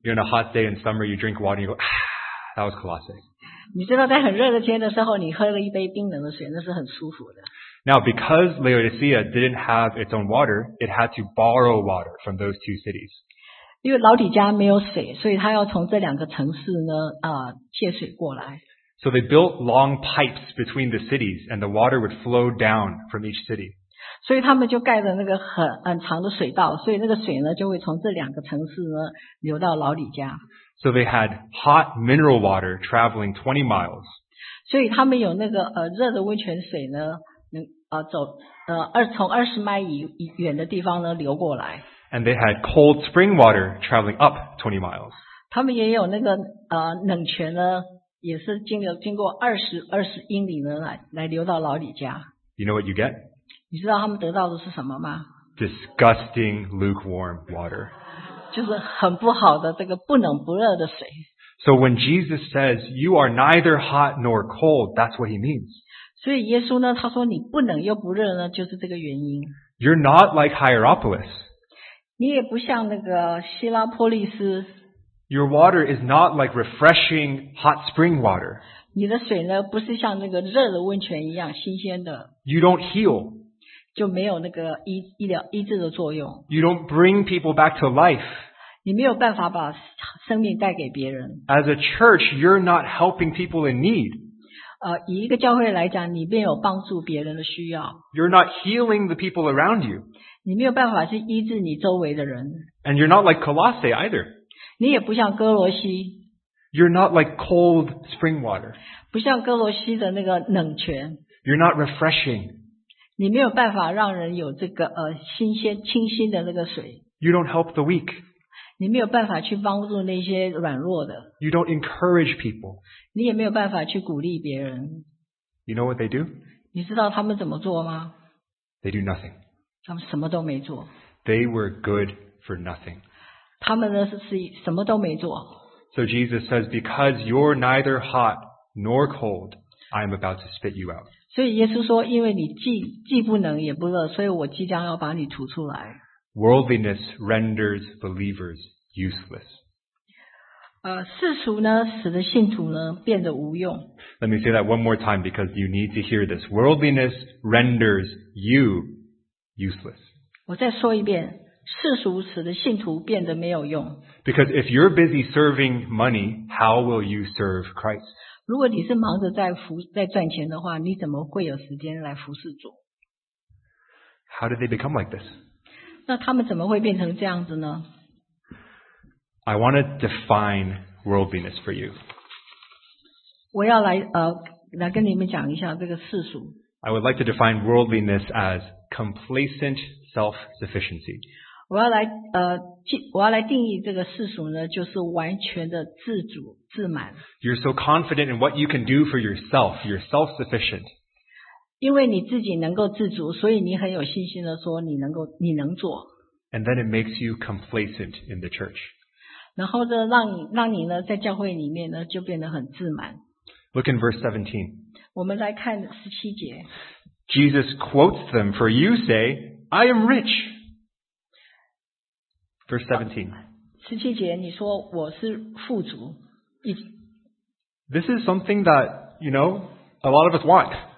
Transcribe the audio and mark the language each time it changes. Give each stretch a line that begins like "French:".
English: You're on a hot day in summer, you drink water, you go, that was Colossae.
Chinese: 你知道在很热的天的时候你喝了一杯冰冷的水那是很舒服的。
English: Now, because Laodicea didn't have its own water, it had to borrow water from those two cities.
Chinese: 因为老底家没有水所以他要从这两个城市呢借水过来。
English: So they built long pipes between the cities and the water would flow down from each city.
Chinese: 所以他们就盖了那个 很长的水道所以那个水呢就会从这两个城市呢流到老底家。
English: So they had hot mineral water traveling 20 miles.
Chinese: 所以他们有那个热的温泉水呢，从20迈远的地方呢流过来。
English: And they had cold spring water traveling up 20 miles.
Chinese: 他们也有那个冷泉呢，也是经过20英里呢来流到老李家。
English: You know what you get?
Chinese: 你知道他们得到的是什么吗？
English: Disgusting lukewarm water.
Chinese: 就是很不好的这个不冷不热的水。
English: So when Jesus says, you are neither hot nor cold, that's what he means.
Chinese: 所以耶稣呢他说你不冷又不热呢就是这个原因。
English: You're not like Hierapolis.
Chinese: 你也不像那个希拉波利斯。
English: Your water is not like refreshing hot spring water.
Chinese: 你的水呢不是像那个热的温泉一样新鲜的。
English: You don't heal.
Chinese: 就没有那个医治的作用。
English: You don't bring people back to life.
Chinese: 你没有办法把生命带给别人。
English: As a church, you're not helping people in need.
Chinese: 以一个教会来讲，你没有帮助别人的需要。
English: You're not healing the people around you.
Chinese: 你没有办法去医治你周围的人。
English: And you're not like Colossae either.
Chinese: 你也不像哥罗西。
English: You're not like cold spring water.
Chinese: 不像哥罗西的那个冷泉。
English: You're not refreshing.
Chinese: 你没有办法让人有这个新鲜清新的那个水。
English: You don't help the weak.
Chinese: 你没有办法去帮助那些软弱的。
English: You don't encourage people.
Chinese: 你也没有办法去鼓励别人。
English: You know what they do?
Chinese: 你知道他们怎么做吗？
English: They do nothing.
Chinese: 他们什么都没做。
English: They were good for nothing.
Chinese: 他们呢是什么都没做。
English: So Jesus says, because you're neither hot nor cold, I am about to spit you out.
Chinese: 所以耶稣说，因为你既不冷也不热，所以我即将要把你吐出来。
English: Worldliness renders believers useless.
Chinese: 世俗呢，使得信徒呢变得无用。
English: Let me say that one more time because you need to hear this. Worldliness renders you useless.
Chinese: 我再说一遍，世俗使得信徒变得没有用。
English: Because if you're busy serving money, how will you serve Christ?
Chinese: 如果你是忙着在赚钱的话，你怎么会有时间来服侍主？
English: How did they become like this?
Chinese: 那他们怎么会变成这样子呢？
English: I want to define worldliness for you.
Chinese: 我要来跟你们讲一下这个世俗。
English: I would like to define worldliness as complacent self-sufficiency.
Chinese: 我要来定义这个世俗呢，就是完全的自主。
English: You're so confident in what you can do for yourself. You're self-sufficient.
Chinese: 因为你自己能够自主，所以你很有信心的说你能做。
English: And then it makes you complacent in the church.
Chinese: 然后呢让你呢在教会里面呢就变得很自满。
English: Look in verse 17.
Chinese: 我们来看17节。
English: Jesus quotes them, for you say, I am rich. Verse 17.
Chinese: 17节你说我是富足。
English: This is something that, you know, a lot of us want.